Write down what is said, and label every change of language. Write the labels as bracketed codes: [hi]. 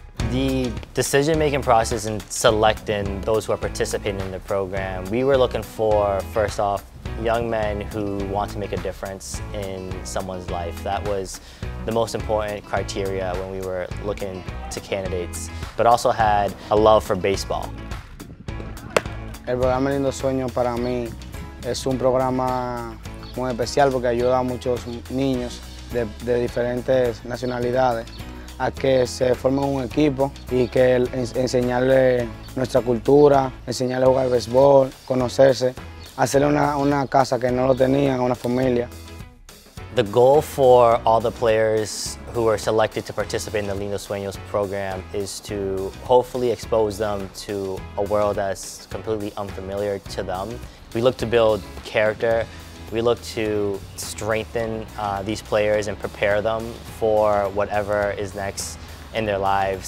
[en] The decision-making process in selecting those who are participating in the program, we were looking for, first off, young men who want to make a difference in someone's life. That was the most important criteria when we were looking to candidates, but also had a love for baseball. [es] El programa Lindos Sueños para mí es un programa muy especial porque ayuda a muchos niños de diferentes nacionalidades a que se formen un equipo y que enseñarle nuestra cultura, enseñarle a jugar béisbol, conocerse. Hacerle una casa que no lo tenía, una familia. [en] The goal for all the players who are selected to participate in the Lindos Sueños program is to hopefully expose them to a world that's completely unfamiliar to them. We look to build character. We look to strengthen these players and prepare them for whatever is next in their lives.